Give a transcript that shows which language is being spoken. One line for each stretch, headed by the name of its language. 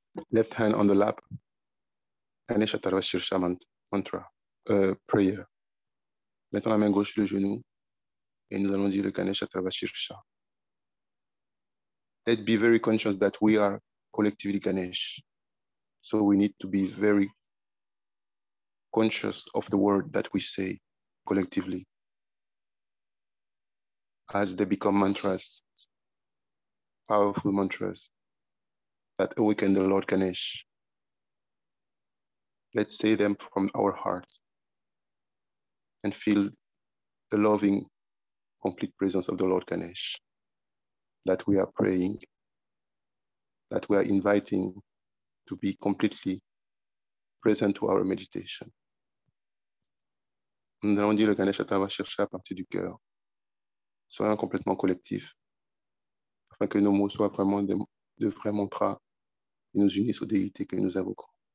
English: left hand on the lap, Anishatarvashirsha mantra, prayer.
French: Mettons la main gauche sur le genou et nous allons dire le Ganeshatarvashirsha.
English: Let's be very conscious that we are collectively Ganesh. So we need to be very conscious of the word that we say collectively. As they become mantras, powerful mantras that awaken the Lord Ganesh. Let's say them from our heart and feel the loving, complete presence of the Lord Ganesh, that we are praying, that we are inviting to be completely present to our meditation.
French: Nous allons dire le Ganesh Atta va chercher à partir du cœur. Soyons complètement collectifs, afin que nos mots soient vraiment de vrais mantras et nous unissent aux déités que nous invoquons.